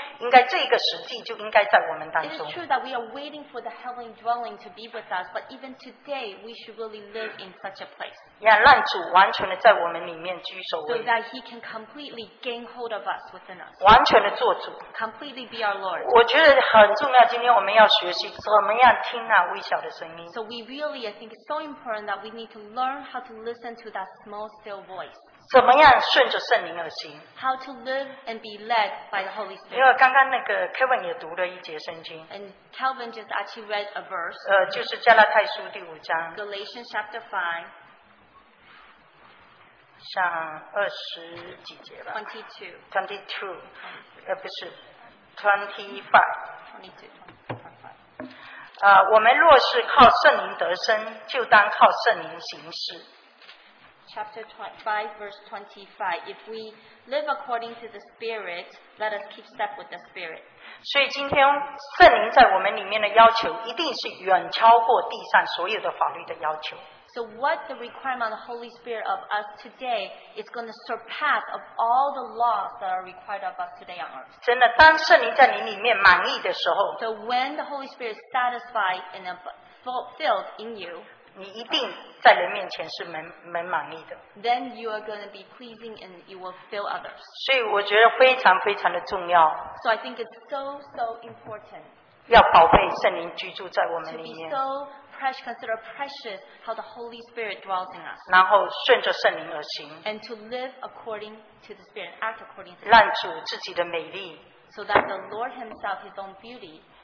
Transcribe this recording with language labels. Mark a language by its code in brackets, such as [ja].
[zh] 我们不好像是要等候那一天，就是说神的降临在人间啊。但是我觉得今天应该这个时机就应该在我们当中。 [en] It is true that we are waiting for the heavenly dwelling to be with us, but even today we should really live in such a place. [zh] 让主完全的在我们里面居首位。 [en] So that he can completely gain hold of us within us. [zh] 完全的做主。 [en] Completely be our Lord. [zh] 我觉得很重要，今天我们要学习怎么样听那微小的声音。 [en] So we really, I think, it's so important that we need to learn how to listen to that small still voice. [zh] 怎么样顺着圣灵而行? [en] How to live and be led by the Holy Spirit. [zh] 因为刚刚那个Kevin也读了一节圣经。 [en] And Calvin just actually read a verse. [zh] 就是加拉太书第五章。 [en] Galatians chapter 5. [zh] 像二十几节吧。 [en] 22. [zh] 22。不是, 25. [en] 22. [zh] 我们若是靠圣灵得生, 就当靠圣灵行事。 [en] Chapter 5, verse 25. If we live according to the Spirit, let us keep step with the Spirit. [zh] 所以今天圣灵在我们里面的要求一定是远超过地上所有的法律的要求。 [en] So what the requirement of the Holy Spirit of us today is going to surpass of all the laws that are required of us today on earth. [zh] 真的，当圣灵在你里面满意的时候, [en] so when the Holy Spirit is satisfied and fulfilled in you, [zh] 你一定在人面前是蛮满意的。 [en] Then you are going to be pleasing and you will fill others. [zh] 所以我觉得非常非常的重要。 [en] So I think it's so, so important. [zh] 要宝贝圣灵居住在我们里面。 [en] To be so precious, consider precious how the Holy Spirit dwells in us. [zh] 然后顺着圣灵而行。 [en] And to live according to the Spirit, act according to the Spirit. [zh] 让主自己的美丽, [en] so that the Lord himself, his own beauty,